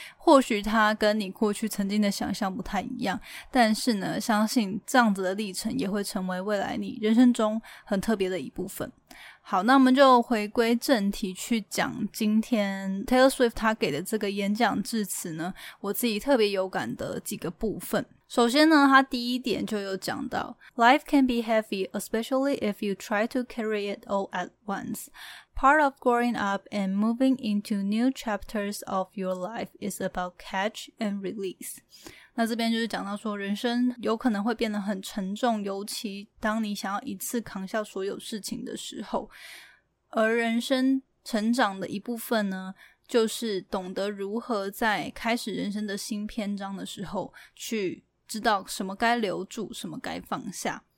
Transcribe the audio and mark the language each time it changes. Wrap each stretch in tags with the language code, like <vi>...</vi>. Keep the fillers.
<zh>或许它跟你过去曾经的想象不太一样，但是呢，相信这样子的历程也会成为未来你人生中很特别的一部分。好，那我们就回归正题去讲今天 Taylor Swift 他给的这个演讲致辞呢，我自己特别有感的几个部分。首先呢，他第一点就有讲到，</zh> <en>Life can be heavy, especially if you try to carry it all at once. Part of growing up and moving into new chapters of your life is about catch and release.</en> <zh>那这边就是讲到说，人生有可能会变得很沉重，尤其当你想要一次扛下所有事情的时候。而人生成长的一部分呢，就是懂得如何在开始人生的新篇章的时候，去知道什么该留住，什么该放下。</zh>